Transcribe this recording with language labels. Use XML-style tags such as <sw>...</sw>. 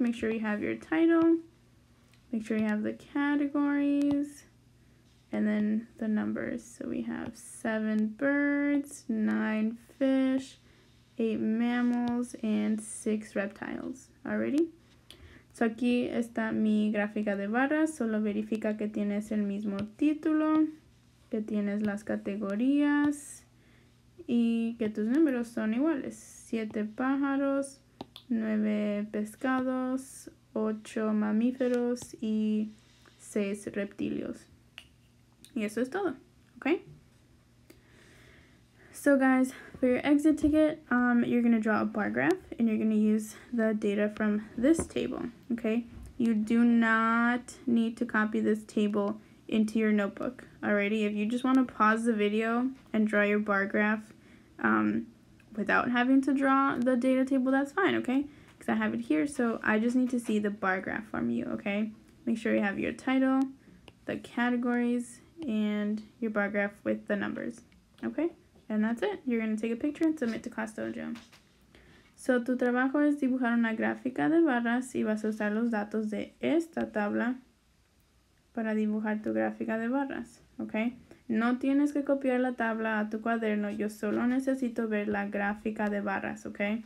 <en>Make sure you have your title. Make sure you have the categories. And then the numbers. So we have 7 birds, 9 fish, 8 mammals, and 6 reptiles.</en> <es>Alrighty. So aquí está mi gráfica de barras. Solo verifica que tienes el mismo título, que tienes las categorías. Y que tus números son iguales. 7 pájaros, 9 pescados, 8 mamíferos y 6 reptilios. Y eso es todo. Okay?</es> <en>So guys, for your exit ticket, you're going to draw a bar graph and you're going to use the data from this table. Okay? You do not need to copy this table into your notebook. Alrighty? If you just want to pause the video and draw your bar graph without having to draw the data table, that's fine, okay? Because I have it here, so I just need to see the bar graph from you, okay? Make sure you have your title, the categories, and your bar graph with the numbers, okay? And that's it. You're going to take a picture and submit to ClassDojo.</en> <es>So, tu trabajo es dibujar una gráfica de barras y vas a usar los datos de esta tabla para dibujar tu gráfica de barras, ¿ok? No tienes que copiar la tabla a tu cuaderno, yo solo necesito ver la gráfica de barras, ¿ok?</es>